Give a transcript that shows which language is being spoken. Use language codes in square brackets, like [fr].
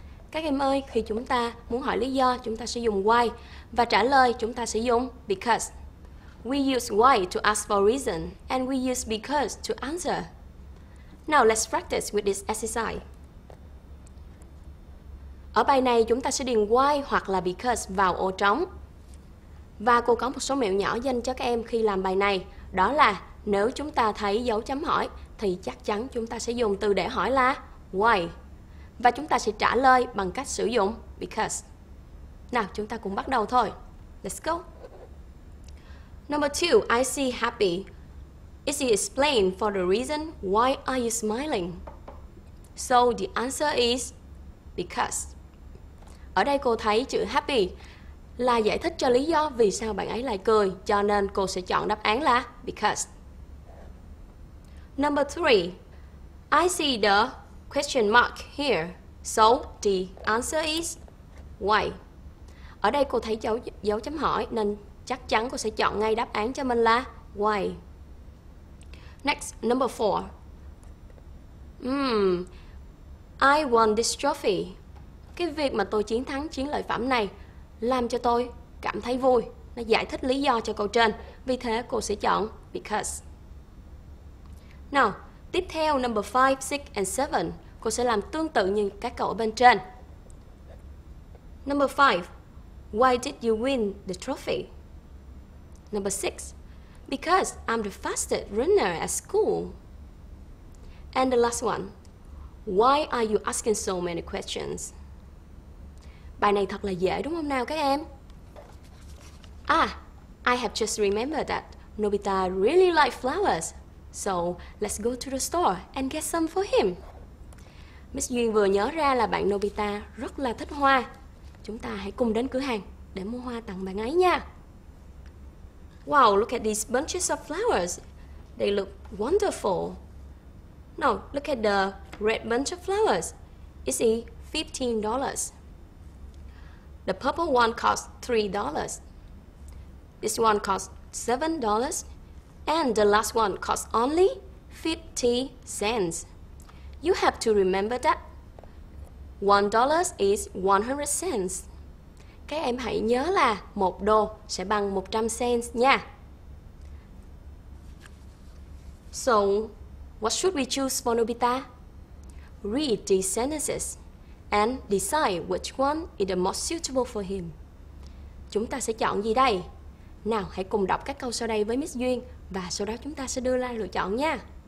[vi] Các em ơi, khi chúng ta muốn hỏi lý do, chúng ta sẽ dùng why. Và trả lời, chúng ta sẽ dùng because. [en] We use why to ask for reason, and we use because to answer. Now let's practice with this exercise. [vi] Ở bài này, chúng ta sẽ điền why hoặc là because vào ô trống. Và cô có một số mẹo nhỏ dành cho các em khi làm bài này. Đó là nếu chúng ta thấy dấu chấm hỏi, thì chắc chắn chúng ta sẽ dùng từ để hỏi là why. Và chúng ta sẽ trả lời bằng cách sử dụng because. Nào, chúng ta cùng bắt đầu thôi. [en] Let's go. Number two, I see happy. Is it explained for the reason why are you smiling? So the answer is because. [vi] Ở đây cô thấy chữ happy là giải thích cho lý do vì sao bạn ấy lại cười, cho nên cô sẽ chọn đáp án là because. [en] Number three, I see the question mark here. So the answer is why. [vi] Ở đây cô thấy dấu chấm hỏi nên chắc chắn cô sẽ chọn ngay đáp án cho mình là why. [en] Next, number four. I won this trophy. [vi] Cái việc mà tôi chiến thắng chiến lợi phẩm này làm cho tôi cảm thấy vui. Nó giải thích lý do cho câu trên. Vì thế cô sẽ chọn because. Now, tiếp theo [en] number 5, 6 and 7. [vi] Cô sẽ làm tương tự như các cậu ở bên trên. [en] Number 5. Why did you win the trophy? Number 6. Because I'm the fastest runner at school. And the last one. Why are you asking so many questions? [vi] Bài này thật là dễ đúng không nào các em? [en] I have just remembered that Nobita really likes flowers. So let's go to the store and get some for him. [vi] Miss Duyên vừa nhớ ra là bạn Nobita rất là thích hoa. Chúng ta hãy cùng đến cửa hàng để mua hoa tặng bạn ấy nha. [en] Wow, look at these bunches of flowers. They look wonderful. Now, look at the red bunch of flowers. Is it $15? The purple one costs $3. This one costs $7. And the last one costs only 50 cents. You have to remember that $1 is 100 cents. [vi] Các em hãy nhớ là 1 đô sẽ bằng 100 cents nha. [en] So, what should we choose for Nobita? Read these sentences and decide which one is the most suitable for him. [vi] Chúng ta sẽ chọn gì đây? Nào, hãy cùng đọc các câu sau đây với Miss Duyên và sau đó chúng ta sẽ đưa ra lựa chọn nha.